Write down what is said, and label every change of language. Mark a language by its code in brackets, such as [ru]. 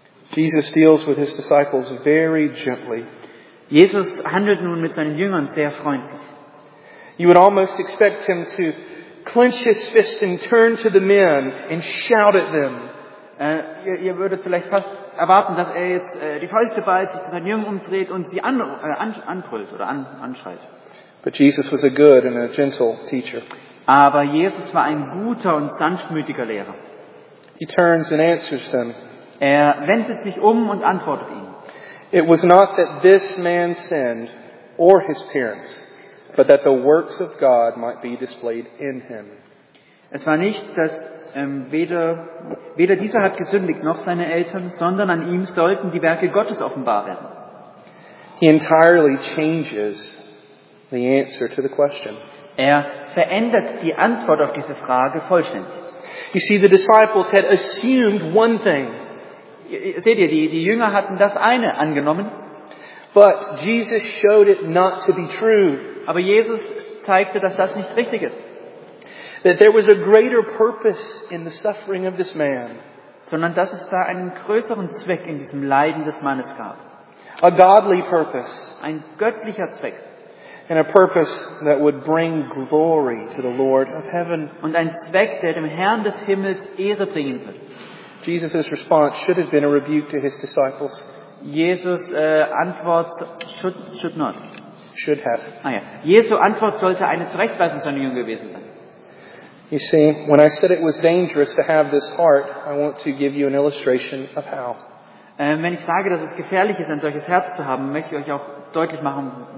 [en] Jesus deals with his disciples very gently. [de] Jesus handelt nun mit seinen Jüngern sehr freundlich. [en] You would almost expect him to clench his fist and turn to the men and shout at them. [de] Ihr würdet vielleicht fast erwarten, dass er jetzt die Fäuste ballt, sich zu seinen Jüngern umdreht und sie anbrüllt oder anschreit. [en] But Jesus was a good and a gentle teacher. [de] Aber Jesus war ein guter und sanftmütiger Lehrer. [en] He turns and answers them. [de] Er wendet sich um und antwortet ihnen. [en] It was not that this man sinned or his parents, but that the works of God might be displayed in him. [de] Es war nicht, dass weder dieser hat gesündigt noch seine Eltern, sondern an ihm sollten die Werke Gottes offenbar werden. [en] He entirely changes the answer to the question. [de] Er verändert die Antwort auf diese Frage vollständig. [en] You see, the disciples had assumed one thing. [de] Seht ihr, die Jünger hatten das eine angenommen. [en] But Jesus showed it not to be true. [de] Aber Jesus zeigte, dass das nicht richtig ist. [en] That there was a greater purpose in the suffering of this man. [de] Sondern dass es da einen größeren Zweck in diesem Leiden des Mannes gab. [en] A godly purpose. [de] Ein göttlicher Zweck. [en] And a purpose that would bring glory to the Lord of heaven. [de] Und ein Zweck, der dem Herrn des Himmels Ehre bringen wird. [en] Jesus' response should have been a rebuke to his disciples. [de] Jesus' Antwort [en] should not. Should have. [de] Ah, ja. Jesu Antwort sollte eine Zurechtweisung seiner Jünger gewesen sein. [en] You see, when I said it was dangerous to have this heart, I want to give you an illustration of how. [de] Wenn ich sage, dass es gefährlich ist, ein solches Herz zu haben, möchte ich euch auch deutlich machen,